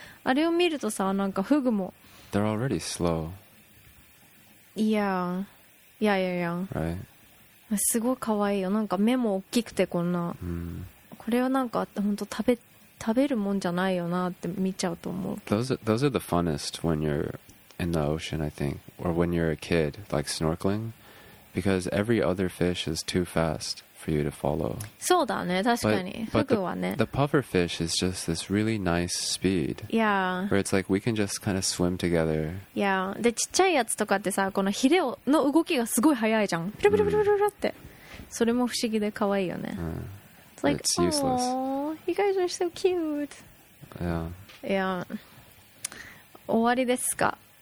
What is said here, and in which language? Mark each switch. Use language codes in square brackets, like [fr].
[ja] あれを見るとさ、なんかフグも、 [en] They're already slow. Yeah. Yeah, yeah, yeah. Right. [ja] すごいかわいいよ。なんか目も大きくてこんな。これはなんか本当食べるもんじゃないよなって見ちゃうと思う。 [en] Those are the funnest when you're in the ocean, I think. Or when you're a kid, like snorkeling. Because every other fish is too fast for you to follow. [ja] そうだね、確かに。フグはね。 [en] The puffer fish is just this really nice speed. Yeah. Where it's like we can just kind of swim together. Yeah. [ja] で、ちっちゃいやつとかってさ、このヒレの動きがすごい早いじゃん。ピラピラピラピラって。それも不思議で可愛いよね。 [en] It's like, it's useless. Aww, you guys are so cute. Yeah. Yeah. [ja] 終わりですか?